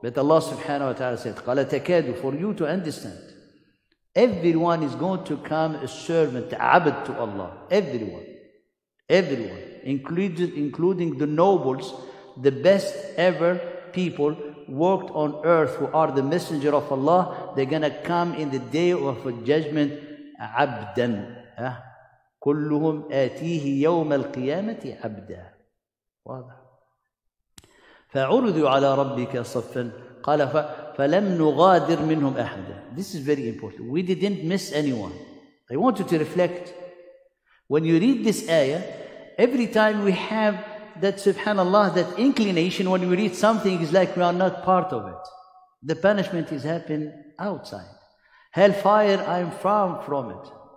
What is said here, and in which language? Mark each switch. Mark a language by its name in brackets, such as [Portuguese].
[English] But Allah subhanahu wa ta'ala said, [Arabic] قَالَ تَكَادُ, [English] for you to understand, everyone is going to come a servant, abd to Allah. Everyone. Everyone. Including the nobles, the best ever people worked on earth, who are the messenger of Allah, they're gonna come in the day of judgment, abdan. [Arabic] كلهم آتيه يوم القيامة عبدا. فعرضوا على ربك صفا قال فلم نغادر منهم أحدا. [English] This is very important. We didn't miss anyone. I want you to reflect. When you read this ayah, every time we have that, subhanAllah, that inclination when we read something is like we are not part of it. The punishment is happening outside. Hellfire, I am far from it.